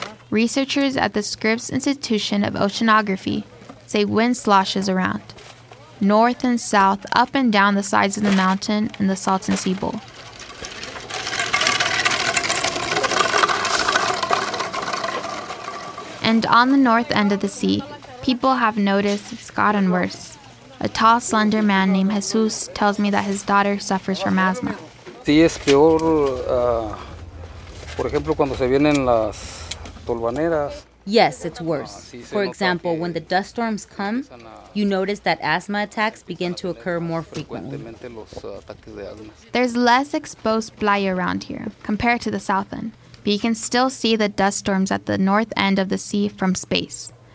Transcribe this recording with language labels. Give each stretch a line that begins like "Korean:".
English: Researchers at the Scripps Institution of Oceanography say wind sloshes around, north and south, up and down the sides of the mountain in the Salton Sea Bowl. And on the north end of the sea, people have noticed it's gotten worse. A tall, slender man named Jesus tells me that his daughter suffers from asthma.
Spanish: Sí, es peor, por ejemplo, cuando se vienen las tolvaneras.
English: Yes, it's worse. For example, when the dust storms come, you notice that asthma attacks begin to occur more frequently. There's less exposed playa around here compared to the south end, but you can still see the dust storms at the north end of the sea from space.